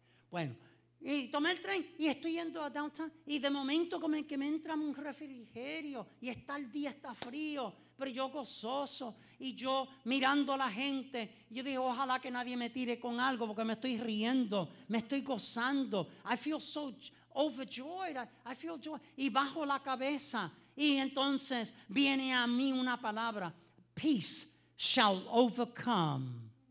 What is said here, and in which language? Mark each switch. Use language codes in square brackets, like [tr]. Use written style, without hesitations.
[es] Bueno, y tomé el tren y estoy yendo a downtown, y de momento como que me entra un refrigerio, y está el día, está frío, pero yo gozoso, y yo mirando a la gente, yo digo, ojalá que nadie me tire con algo, porque me estoy riendo, me estoy gozando. [en] I feel so overjoyed, I feel joy. [es] Y bajo la cabeza, y entonces viene a mí una palabra: [en] peace shall overcome.